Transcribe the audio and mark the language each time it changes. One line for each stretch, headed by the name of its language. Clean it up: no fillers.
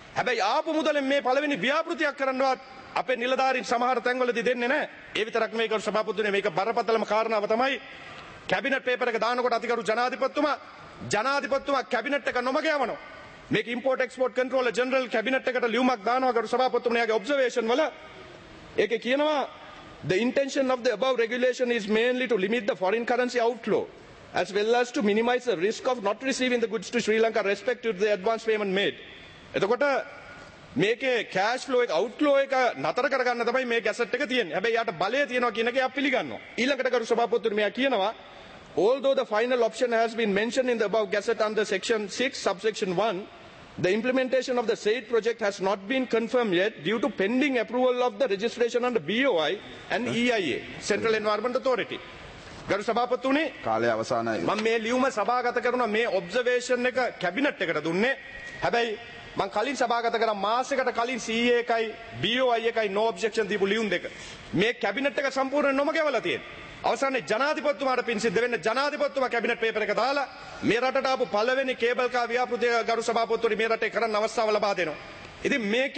Sinhala: හැබැයි ආපු මුදලෙන් මේ පළවෙනි ව්‍යාපෘතියක් කරන්නවත් අපේ නිලධාරීන් සමහර තැන්වලදී දෙන්නේ නැහැ. ඒ විතරක් මේක ගරු සභාපතිතුමනි මේක බරපතලම කාරණාව තමයි. කැබිනට් පේපර් එක දානකොට අතිගරු ජනාධිපතිතුමා කැබිනට් එක නොමග යවනවා. මේක import export controller general cabinet එකට ලියුමක් දානවා ගරු සභාපතිතුමනි යගේ ඔබ්සර්වේෂන් වල. ඒකේ කියනවා
English: the intention of the above regulation is mainly to limit the foreign currency outflow as well as to minimize the risk of not receiving the goods to Sri Lanka respective to the advance payment made.
Sinhala: එතකොට මේකේ cash flow එක outflow එක නතර කරගන්න තමයි මේ gazette එක තියෙන්නේ. හැබැයි යාට බලය තියෙනවා කියන එක යා පිළිගන්නවා. ඊළඟට ගරු සභාපතිතුමනි මෙයා කියනවා
English: although the final option has been mentioned in the above gazette under section 6 subsection 1 The implementation of the said project has not been confirmed yet due to pending approval of the registration under BOI and EIA, Central Environment Authority.
Sinhala: ගරු සභාපතිතුමනි කාලය අවසానයි මම මේ ලියුම සභාගත කරන මේ observation එක cabinet එකට දුන්නේ හැබැයි මම කලින් සභාගත කර මාසයකට කලින් CA එකයි BOI එකයි no objection දීපු ලියුම් දෙක මේ කැබිනට් එක සම්පූර්ණ නොම ගෙවලා තියෙනවා අවසානයේ ජනාධිපතිතුමාට පින් සිද්ධ වෙන්න ජනාධිපතිතුම කැබිනට් පේපර් එක දාලා මේ රටට ආපු පළවෙනි කේබල් කා ව්‍යාපෘතිය ගරු සභාපතිතුමනි මේ රටේ කරන්න අවස්ථාව ලබා දෙනවා ඉතින්